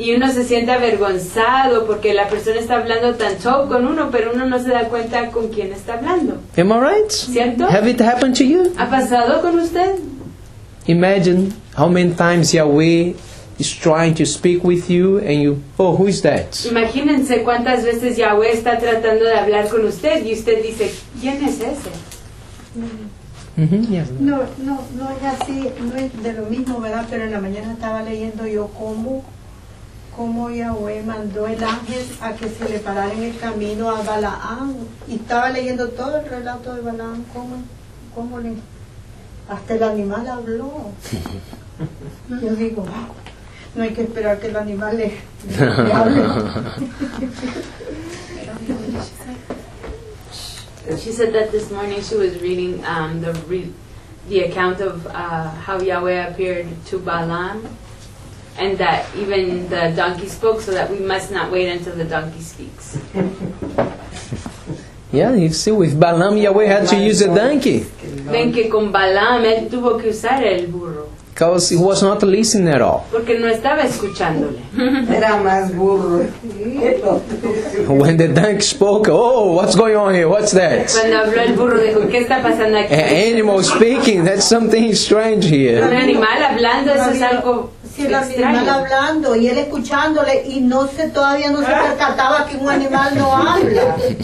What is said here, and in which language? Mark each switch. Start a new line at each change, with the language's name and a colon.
Spanish: Y uno se siente avergonzado porque la persona está hablando tan chau con uno, pero uno no se da cuenta con quién está hablando.
English: Am I right?
Spanish: ¿Cierto?
English: Have it happened to you?
Spanish: ¿Ha pasado con usted?
English: Imagine how many times Yahweh is trying to speak with you and you, "Oh, who is that?"
Spanish: Imagínense cuántas veces Yahweh está tratando de hablar con usted y usted dice, "¿Quién es ese?" No es así, no es de lo mismo, ¿verdad? Pero en la mañana estaba leyendo yo cómo Yahweh mandó el ángel a que se le parara en el camino a Balaam. Y estaba leyendo todo el relato de Balaam, cómo le, hasta el animal habló. Yo digo, wow, no hay que esperar que el animal le hable. She said that this morning she was reading the account of how Yahweh appeared to Balaam, and that even the donkey spoke, so that we must not wait until the donkey speaks.
English: Yeah, you see, with Balaam, Yahweh had to use a donkey.
Spanish: Ven que con Balaam, él tuvo que usar el burro.
English: Because he was not listening at all.
Spanish: Porque no estaba escuchándole. Era más burro.
English: When the donkey spoke, "Oh, what's going on here? What's that?"
Spanish: Cuando habló el burro, dijo, "¿Qué está pasando aquí?"
English: An animal speaking, that's something strange here.
Spanish: Un animal hablando, eso es algo extraño. Si el animal hablando y él escuchándole y no se, todavía no se percataba que un animal no habla.